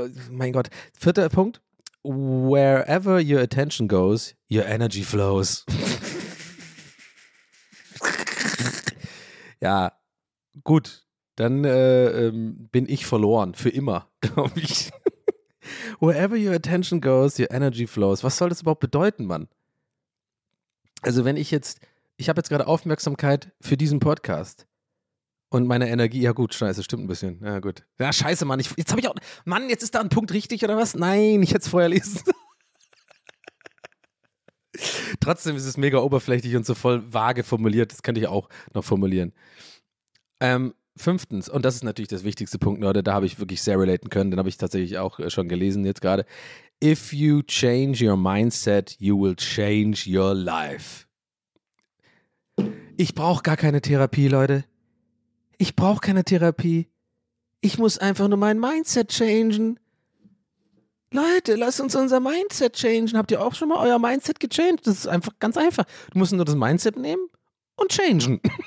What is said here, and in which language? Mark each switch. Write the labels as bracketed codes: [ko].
[de] Mein Gott. Vierter Punkt, [en] wherever your attention goes, your energy flows. [de] Ja, gut, dann bin ich verloren, für immer, glaube ich. [en] Wherever your attention goes, your energy flows. [de] Was soll das überhaupt bedeuten, Mann? Also wenn ich jetzt... Ich habe jetzt gerade Aufmerksamkeit für diesen Podcast und meine Energie, ja gut, scheiße, stimmt ein bisschen, ja gut. Ja, scheiße, Mann, jetzt ist da ein Punkt richtig oder was? Nein, ich hätte es vorher lesen. Trotzdem ist es mega oberflächlich und so voll vage formuliert, das könnte ich auch noch formulieren. Fünftens, und das ist natürlich das wichtigste Punkt, Leute, da habe ich wirklich sehr relaten können, den habe ich tatsächlich auch schon gelesen jetzt gerade. [en] If you change your mindset, you will change your life. [de] Ich brauche gar keine Therapie, Leute. Ich brauche keine Therapie. Ich muss einfach nur mein Mindset changen. Leute, lasst uns unser Mindset changen. Habt ihr auch schon mal euer Mindset gechanged? Das ist einfach ganz einfach. Du musst nur das Mindset nehmen und changen.